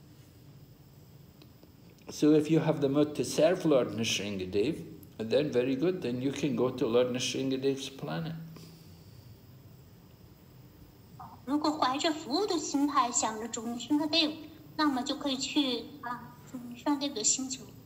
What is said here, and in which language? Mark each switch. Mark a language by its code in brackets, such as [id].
[zh] 我不是单纯的想着的问题，而是应该怀着爱，来想着，要想着服务他。 [en] So if you have the mood to serve Lord Nisringadev, then very good, then you can go to Lord Nisringadev's planet. [zh] 如果怀着服务的心态想着主尼圣德，那么就可以去主尼圣德的星球。